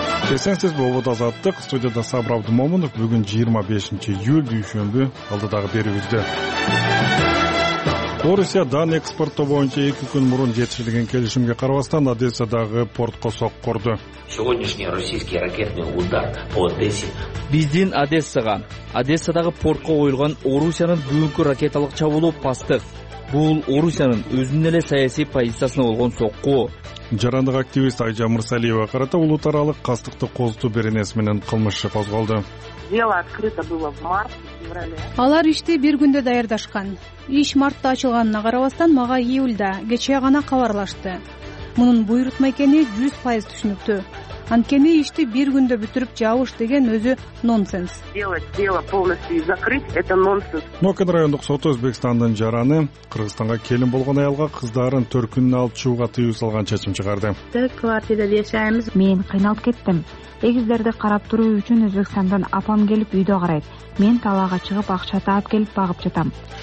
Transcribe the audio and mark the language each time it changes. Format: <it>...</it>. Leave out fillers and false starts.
<ky>Эсенсиз болот Азаттык студияда Сабыр Абдымомунов бүгүн 25 июль дүйшөмбү алдыдагы берүүбүздө. Орусия дан экспорттоо боюнча 2 күн мурун жетишилген келишимге карабастан Одессадагы портко сокку курду.</ky> <ru>Сегодняшний российский ракетный удар по Одессе.</ru> <ky>Биздин Одессага, Одессадагы портко коюлган Орусиянын бүгүнкү ракеталык чабуулу пастык. Бул Орусиянын өзүнүн эле саясий позициясына болгон сокку. Жарандык активист Айжа Мырсалиева карата улут аралык кастыкты козутуу беренеси менен кылмыш иши козголду.</ky> <ru>Дело открыто было в марте-феврале.</ru> <ky>Алар ишти бир күндө даярдашкан. Иш мартта ачылганына карабастан мага июлда кечээ гана кабарлашты. Мунун буйрутма экени 100% түшүнүктүү. Анткени ишти бир күндө бүтүрүп жабыш деген өзү нонсенс.</ky> <ru>Дело полностью закрыть это нонсенс.</ru> <ky>Мокин райондук соту Өзбекстандын жараны Кыргызстанга келин болгон аялга кыздарын 4 күнүн алып чыгууга тыюу салган чечим чыгарды. Төрт квартирада жашайбыз. Мен кыйналып кеттим. Эгиздерди карап туруу үчүн Өзбекстандан апам келип үйдө карайт. Мен талаага чыгып акча таап келип багып жатам.</ky>